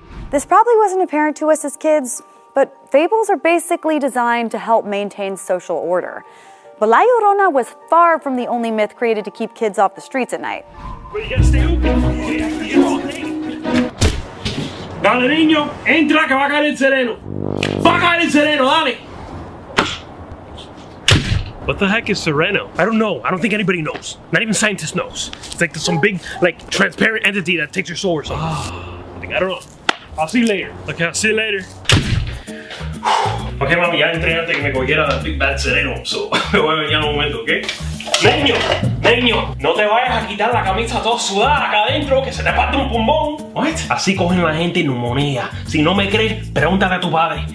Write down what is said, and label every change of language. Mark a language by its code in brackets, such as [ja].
[en] This probably wasn't apparent to us as kids, but fables are basically designed to help maintain social order. But La Llorona was far from the only myth created to keep kids off the streets at night. [es] Dale, niño, entra que va a caer el sereno. Va a caer el sereno, dale. [en] What the heck is sereno? I don't know. I don't think anybody knows. Not even scientists knows. It's like some big, like, transparent entity that takes your soul or something. I don't know. I'll see you later. Okay, I'll see you later. [es] Okay, mami, ya entré antes que me cogiera el Big Bad Sereno. So, me voy a venir en un momento, ¿ok? Niño, niño, no te vayas a quitar la camisa toda sudada acá adentro, que se te parte un pulmón. [en] What? [es] Así cogen la gente neumonía. Si no me crees, pregúntale a tu padre.